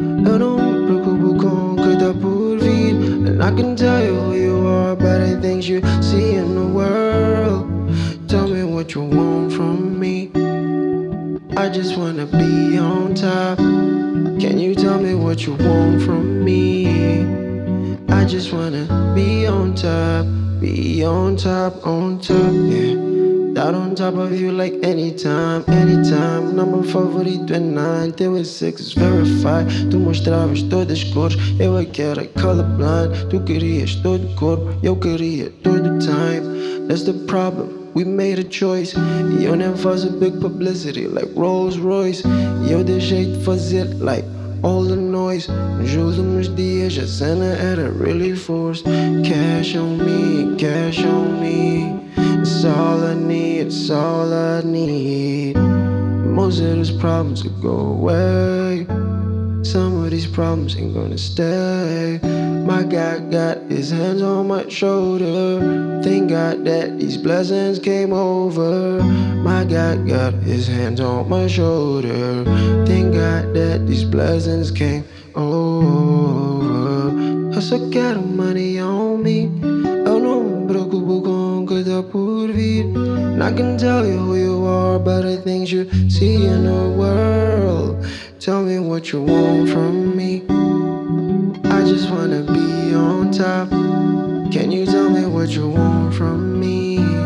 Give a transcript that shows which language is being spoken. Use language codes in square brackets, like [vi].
[pt] Eu não me preocupo com o que tá por vir. [en] And I can tell you who you are by the things you see in the world. Tell me what you want from me. I just wanna be on top. Can you tell me what you want from me? I just wanna be on top, yeah. Down on top of you like anytime, anytime. [pt] Number favorito é 9, teu é 6, [en] it's verified. [pt] Tu mostravas todas as cores, eu é que era colorblind. Tu querias todo corpo, eu queria todo time. [en] That's the problem. We made a choice. [pt] Eu nem faço [en] big publicity like Rolls Royce. [pt] Eu deixei de fazer [en] like all the noise. [pt] Nos últimos dias a cena era [en] really forced. Cash on me, cash on me. It's all I need, it's all I need. Most of these problems could go away. Some of these problems ain't gonna stay. My God got his hands on my shoulder. Thank God that these blessings came over. My God got his hands on my shoulder. Thank God that these blessings came over. I [pt] só quero [en] money on me. [pt] Eu não me preocupo com o que tá por vir. [en] And I can tell you who you are by the things you see in the world. Tell me what you want from me. I just wanna be on top. Can you tell me what you want from me?